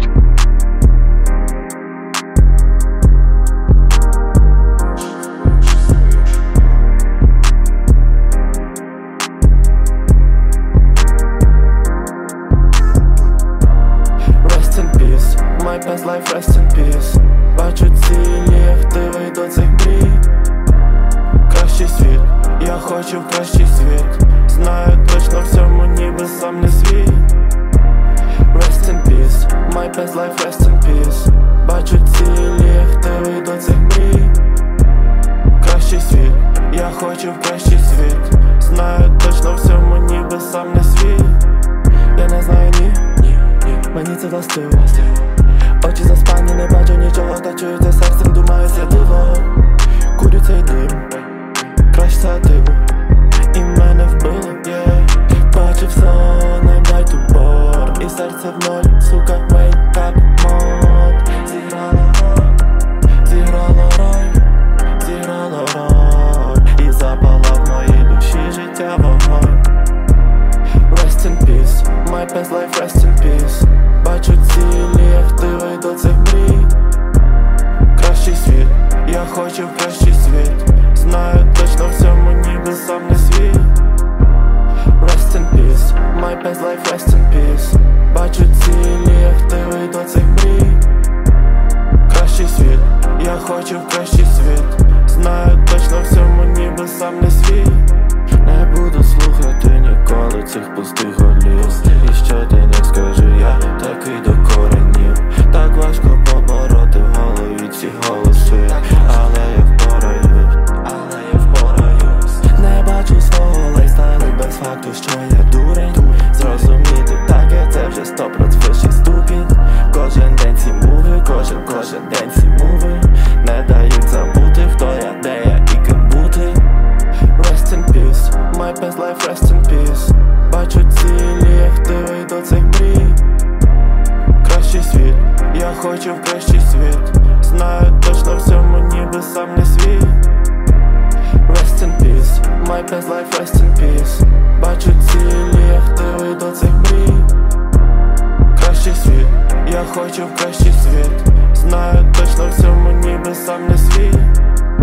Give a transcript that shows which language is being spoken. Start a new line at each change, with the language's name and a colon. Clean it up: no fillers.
English: Rest in peace, my past life, rest in peace.
Ukrainian: Бачу цілі, хтивий до цих мрій. Кращий світ, я хочу в кращий світ. Знаю точно в цьому, ніби сам не свій.
English: Rest in peace, my past life, rest in peace.
Ukrainian: Бачу цілі, хтивий до цих мрій. Кращий світ, я хочу в кращий світ. Знаю точно в цьому, ніби сам не свій. Я не знаю ні, мені це властиво. Очі заспані, не бачу нічого, та чую це серцем, думаю, це диво. Курю цей дим, краще сативу, і мене вбило, бачу все, не дай тупор, і серце в ноль, сука,
English: wake up mod.
Ukrainian: Зіграла рай, зіграла рай, зіграла рай, і запала в моїй душі життя вогонь.
English: Rest in peace, my past life, rest in peace.
Ukrainian: Бачу цілі, хтивий до цих мрій. Кращий світ, я хочу в кращий світ. Знаю точно в цьому, ніби сам не свій.
English: Rest in peace, my past life, rest in peace.
Ukrainian: Бачу цілі, хтивий до цих мрій. Кращий світ, я хочу в кращий світ. Знаю точно в цьому, ніби сам не свій. Не буду слухати ніколи цих пустих голів. І що ти не скажи, я такий до коренів. Так важко побороти в голові ці голоси. Але я впораюсь, але я впораюсь. Не бачу свого лайстайлу без факту, що я дурень. Зрозуміти таке, це вже 100% вищий ступінь. Кожен день ці муви, кожен день ці муви. Не дають забути, хто я, де я і ким бути.
English: Rest in peace, my past life, rest in peace.
Ukrainian: Бачу цілі, хтивий до цих мрій. Кращий світ, я хочу в кращий світ. Знаю точно в цьому, ніби сам не свій.
English: Rest in peace, my past life, rest in peace.
Ukrainian: Бачу цілі, хтивий до цих мрій. Кращий світ, я хочу в кращий світ. Знаю точно в цьому, ніби сам не свій.